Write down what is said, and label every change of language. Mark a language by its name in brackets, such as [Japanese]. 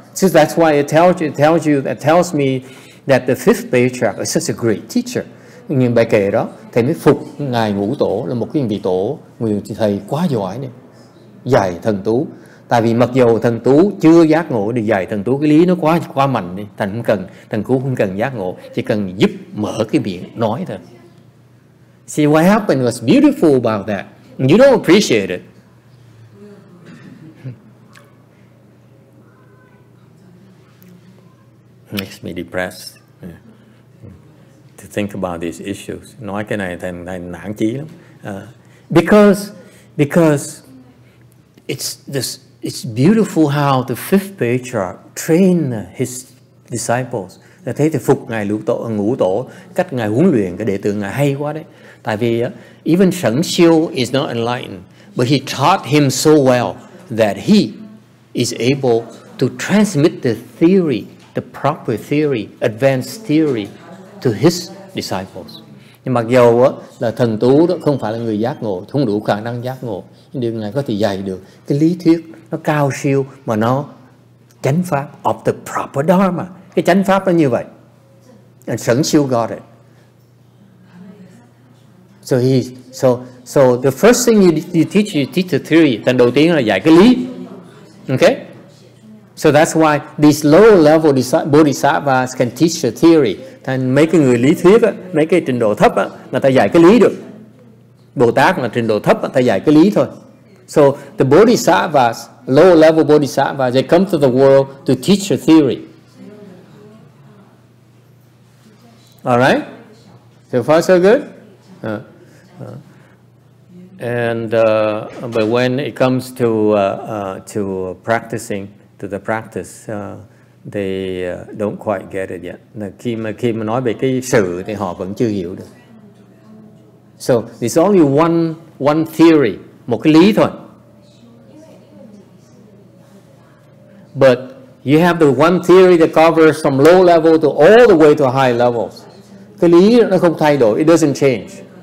[English] So that's why it tells you that tells me that the fifth patriarch is such a great teacher. [Vietnamese] Nhìn bài kệ đó, thầy mới phục ngài Ngũ Tổ là một cái vị tổ người thầy quá giỏi này, dạy thần tú. Tại vì mặc dầu thần tú chưa giác ngộ thì dạy thần tú cái lý nó quá mạnh đi, thành không cần thần cú không cần giác ngộ, chỉ cần giúp mở cái miệng nói thôi. [English] See what happened was beautiful about that. You don't appreciate it. Makes me depressed. Think about these issues. [Vietnamese] Nói cái này thành nản chí lắm. [English] Because it's beautiful how the fifth patriarch trained his disciples. [Vietnamese] Là thế thì phục ngài Ngũ Tổ cách ngài huấn luyện cái đệ tử ngài hay quá đấy. Tại vì [English] even Sẩn Siêu is not enlightened, but he taught him so well that he is able to transmit the theory, the proper theory, advanced theory to his disciples. [Vietnamese] Nhưng mặc dầu á là thần tú đó không phải là người giác ngộ, không đủ khả năng giác ngộ, nhưng điều ngài có thể dạy được cái lý thuyết nó cao siêu mà nó chánh pháp [English] of the proper dharma. [Vietnamese] Cái chánh pháp nó như vậy. [English] And Sẩn Siêu got it. So the first thing you teach the theory, then [Vietnamese] đầu tiên là dạy cái lý. [English] Okay? So that's why these lower level bodhisattvas can teach the theory. [Vietnamese] Thành mấy cái người lý thuyết á, mấy cái trình độ thấp á, người ta dạy cái lý được. Bồ Tát là trình độ thấp, người ta dạy cái lý thôi. [English] So the bodhisattvas, low level bodhisattvas, they come to the world to teach the theory. Alright? So far so good? But when it comes to practicing, to the practice, they don't quite get it yet. [Vietnamese] Khi mà nói về cái sự thì họ vẫn chưa hiểu được. [English] So it's only one theory, [Vietnamese] một cái lý thôi. [English] But you have the one theory that covers from low level to all the way to high levels. [Vietnamese] Cái lý nó không thay đổi, [English] it doesn't change.